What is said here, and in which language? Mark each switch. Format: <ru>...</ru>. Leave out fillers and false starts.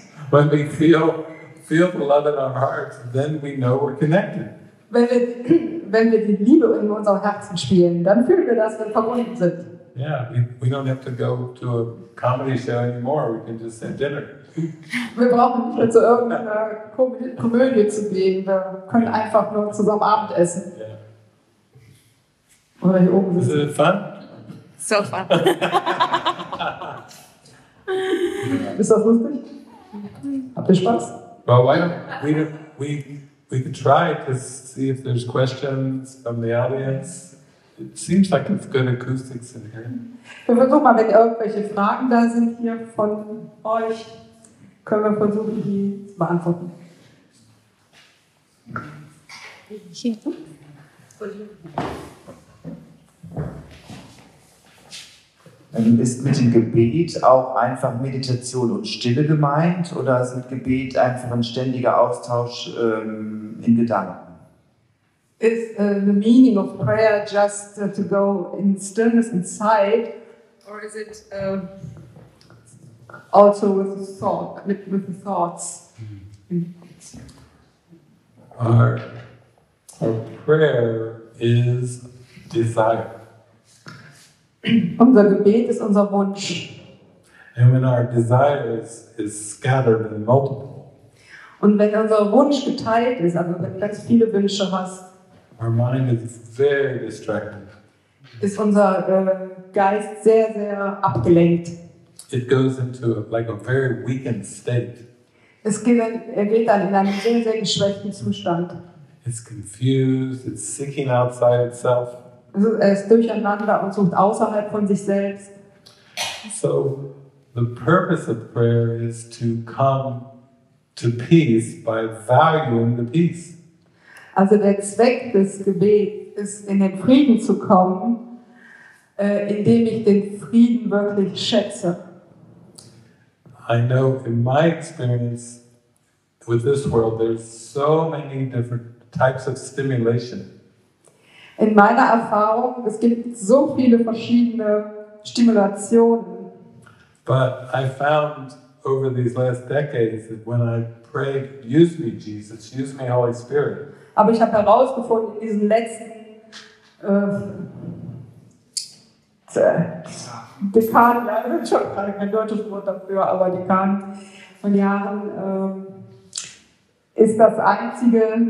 <en>When we feel the love in our hearts, then we know we're connected.</en> <de>Wenn wir die Liebe in unserem Herzen spielen, dann fühlen wir, dass wir verbunden sind.</de> <en>Yeah, we don't have to go to a comedy show anymore. We can just have dinner.</en> <de>Wir brauchen nicht mehr zu irgendeiner Komödie zu gehen. Wir können einfach nur zusammen Abend essen.</de> <en>Yeah.</en> <de>Oder hier oben sitzen.</de> <en>Is it fun? So fun.</en> <de>Ist das lustig? Habt ihr Spaß?</de> <en>Well, why don't we could try to see if there's questions from the audience. It seems like it's good acoustics in here.</en> <de>Wir versuchen mal, wenn irgendwelche Fragen da sind hier von euch, können wir versuchen, die zu beantworten. Ist mit dem Gebet auch einfach Meditation und Stille gemeint oder ist mit Gebet einfach ein ständiger Austausch in Gedanken?</de> <en>Is the meaning of prayer just to go in stillness inside or is it also with the thoughts? Our prayer is desire.</en> <de>Unser Gebet ist unser Wunsch.</de> <en>And when our desire is scattered and multiple.</en> <de>Und wenn unser Wunsch geteilt ist, also wenn du ganz viele Wünsche hast,</de> <en>our mind is very distracted.</en> <de>Ist unser Geist sehr, sehr abgelenkt.</de> <en>It goes into a very weakened state.</en> <de>Er geht dann in einen sehr, sehr geschwächten Zustand.</de> <en>It's confused, it's seeking outside itself.</en> <de>Er ist durcheinander und sucht außerhalb von sich selbst.</de> <en>So, the purpose of prayer is to come to peace by valuing the peace.</en> <de>Also der Zweck des Gebets ist, in den Frieden zu kommen, indem ich den Frieden wirklich schätze.</de> <en>I know in my experience with this world, there's so many different types of stimulation.</en> <de>In meiner Erfahrung, es gibt so viele verschiedene Stimulationen.</de> <en>But I found over these last decades that when I prayed, use me, Jesus, use me, Holy Spirit.</en> <de>Aber ich habe herausgefunden in diesen letzten Dekaden, ich habe schon gerade kein deutsches Wort dafür, aber Dekaden von Jahren, ist das einzige.</de>